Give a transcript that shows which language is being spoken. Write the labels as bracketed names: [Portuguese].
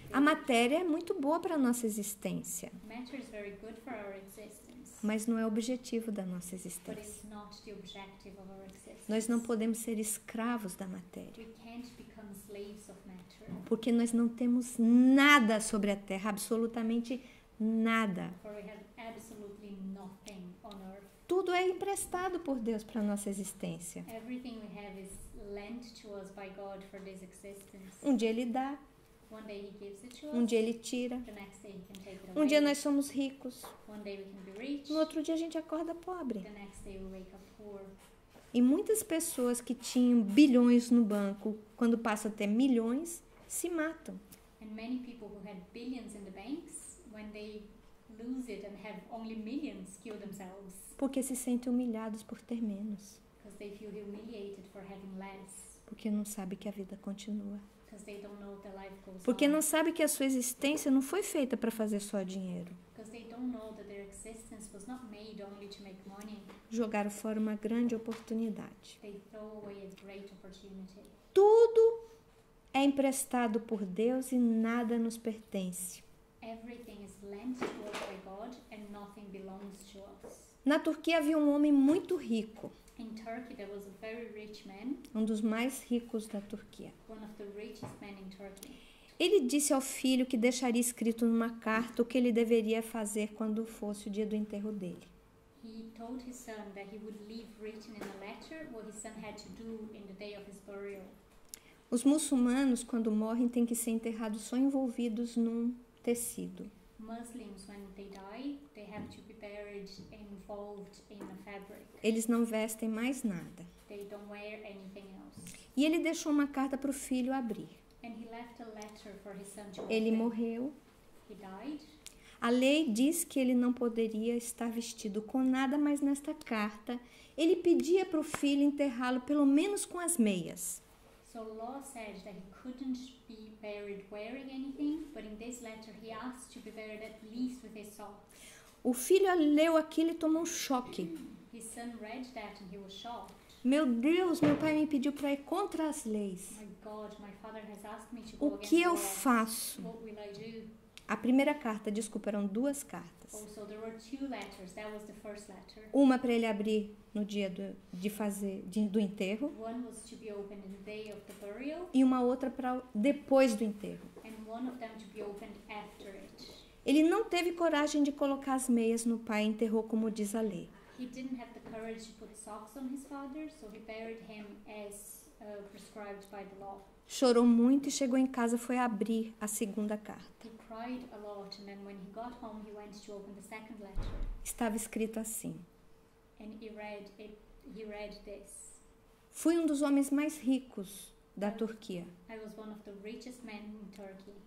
[Portuguese] A matéria é muito boa para a nossa existência. [English] Matter is very good for our existence. [Portuguese] Mas não é o objetivo da nossa existência. [English] But it's not the objective of our existence. [Portuguese] Nós não podemos ser escravos da matéria. [English] We can't become slaves of matter. [Portuguese] Porque nós não temos nada sobre a Terra, absolutamente nada. [English] For we have absolutely nothing on earth. [Portuguese] Tudo é emprestado por Deus para a nossa existência. [English] Everything we have is lent to us by God for this existence. [Portuguese] Um dia Ele dá. [English] One day he gives it to [Portuguese] um [English] us. [Portuguese] Dia ele tira. [English] The next day he can take it away. [Portuguese] Um dia nós somos ricos. [English] One day we can be rich. [Portuguese] No outro dia a gente acorda pobre. [English] The next day we wake up poor. [Portuguese] E muitas pessoas que tinham bilhões no banco, quando passam a ter milhões, se matam. [English] And many people who had billions in the banks, when they lose it and have only millions kill themselves. [Portuguese] Porque se sentem humilhados por ter menos. [English] Because they feel humiliated for having less. [Portuguese] Porque não sabem que a vida continua. [English] Because they don't know that life goes [Portuguese] Porque [English] on. [Portuguese] Não sabem que a sua existência não foi feita para fazer só dinheiro. [English] Because they don't know that their existence was not made only to make money. [Portuguese] Jogaram fora uma grande oportunidade. [English] They throw away a great opportunity. [Portuguese] Tudo é emprestado por Deus e nada nos pertence. [English] Everything is lent to us by God and nothing belongs to us. [Portuguese] Na Turquia havia um homem muito rico. [English] In Turkey there was a very rich man. [Portuguese] Um dos mais ricos da Turquia. [English] One of the richest men in Turkey. [Portuguese] Ele disse ao filho que deixaria escrito numa carta o que ele deveria fazer quando fosse o dia do enterro dele. [English] He told his son that he would leave written in a letter what his son had to do in the day of his burial. [Portuguese] Os muçulmanos, quando morrem, têm que ser enterrados só envolvidos num tecido. [English] Muslims, when they die, they have to be buried involved in a fabric. [Portuguese] Eles não vestem mais nada. [English] They don't wear anything else. [Portuguese] E ele deixou uma carta para o filho abrir. [English] And he left a letter for his son to open. [Portuguese] Ele morreu. [English] He died. [Portuguese] A lei diz que ele não poderia estar vestido com nada, mas nesta carta ele pedia para o filho enterrá-lo pelo menos com as meias. [English] So law said that he couldn't be buried wearing anything, but in this letter he asked to be buried at least with his socks. [Portuguese] O filho leu aquilo e tomou um choque. [English] His son read that and he was shocked. [Portuguese] Meu Deus, meu pai me pediu para ir contra as leis. [English] My God, my father has asked me to go against the law. [Portuguese] O que eu faço? [English] What will I do? [Portuguese] A primeira carta, desculpa, eram duas cartas. [English] Also, there were two letters. That was the first letter. [Portuguese] Uma para ele abrir no dia do enterro. [English] One was to be opened in the day of the burial. [Portuguese] E uma outra para depois do enterro. [English] And one of them to be opened after it. [Portuguese] Ele não teve coragem de colocar as meias no pai e enterrou como diz a lei. [English] He didn't have the courage to put socks on his father, so he buried him as prescribed by the law. [Portuguese] Chorou muito e chegou em casa e foi abrir a segunda carta. [English] He cried a lot, and then when he got home, he went to open the second letter. [Portuguese] Estava escrito assim. [English] And he read this. [Portuguese] Fui um dos homens mais ricos da Turquia. [English] I was one of the richest men in Turkey.